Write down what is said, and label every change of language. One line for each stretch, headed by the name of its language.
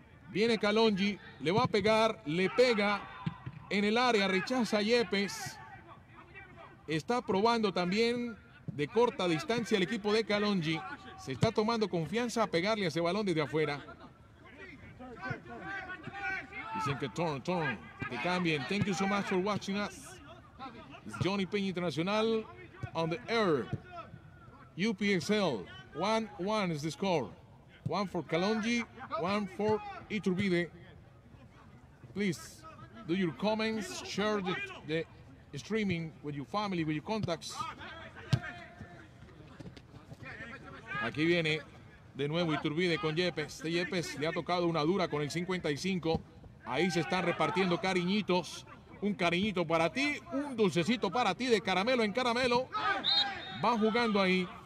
Spanish: Viene Calonji, le va a pegar, le pega en el área, rechaza Yepes. Está probando también de corta distancia el equipo de Calonji. Se está tomando confianza a pegarle a ese balón desde afuera. Dicen que turn, que cambien.
English: Thank you so much for watching us. It's Johnny Peña International on the air. UPSL, 1-1 is the score. One for Calonji, one for Iturbide. please do your comments, share the streaming with your family, with your contacts.
Spanish: Aquí viene de nuevo Iturbide con Yepes. Este Yepes le ha tocado una dura con el 55. Ahí se están repartiendo cariñitos. Un cariñito para ti, un dulcecito para ti de caramelo en caramelo. Van jugando ahí.